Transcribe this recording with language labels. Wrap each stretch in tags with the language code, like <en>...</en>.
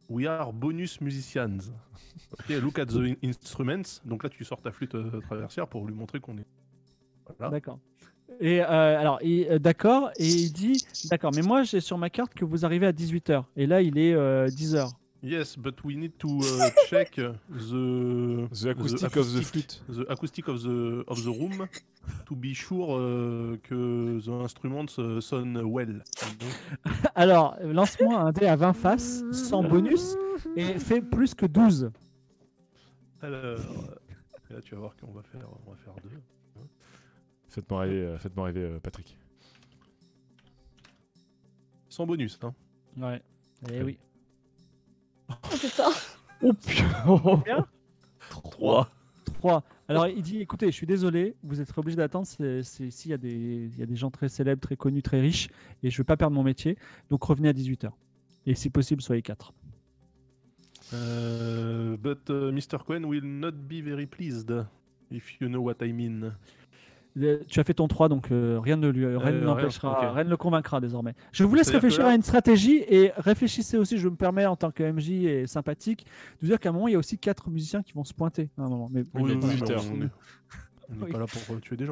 <en>We are bonus musicians. Ok, look at the instruments.</en> <fr>Donc là, tu sors ta flûte traversière pour lui montrer qu'on est. Voilà. D'accord. Et alors, et, d'accord, et il dit d'accord, mais moi j'ai sur ma carte que vous arrivez à 18h, et là il est 10h.</fr> <en>Yes, but we need to check the acoustic of the flute, the acoustic of the room, to be sure que the instruments sonnent well.</en> <fr>Alors, lance-moi un dé à 20 faces, sans bonus, et fais plus que 12. Alors, là tu vas voir qu'on va faire, on va faire 2. Faites-moi rêver, Patrick. Sans bonus, hein. Ouais, et oui. Oh putain! Oh putain! 3! 3! Alors il dit: écoutez, je suis désolé, vous êtes obligé d'attendre, s'il y a des gens très célèbres, très connus, très riches, et je ne veux pas perdre mon métier, donc revenez à 18h. Et si possible, soyez 4.</fr> <en>But Mr. Cohen will not be very pleased, if you know what I mean.</en> <fr>Tu as fait ton 3, donc rien ne lui rien n'empêchera, rien, okay. Rien ne le convaincra désormais. Je vous laisse réfléchir à une stratégie et réfléchissez aussi, je me permets en tant que MJ et sympathique, de vous dire qu'à un moment, il y a aussi 4 musiciens qui vont se pointer. À un moment. Mais, oui, mais on n'est pas là pour tuer des gens.</fr>